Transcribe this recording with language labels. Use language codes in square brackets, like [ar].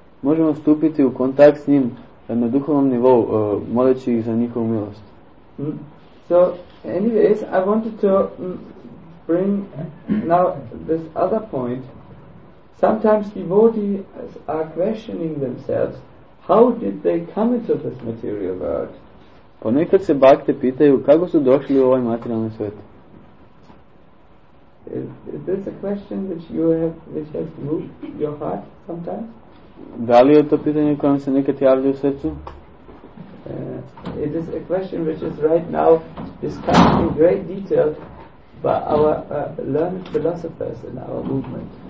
[hr] Možemo stupiti u kontakt s njim na duhovnom nivou moleći ih za njihovu milost. [en] So anyways, I wanted to bring now this other point. Sometimes devotees are questioning themselves, how did they come into this material world? [hr] Ponekad se bhakte pitaju kako su došli u ovaj materijalni svijet. [en] Is this a question which has moved your heart sometimes? [hr] Da li je to pitanje koje se nekad javlja u srcu? [en] It is a question which is right now discussed in great detail by our learned philosophers in our movement.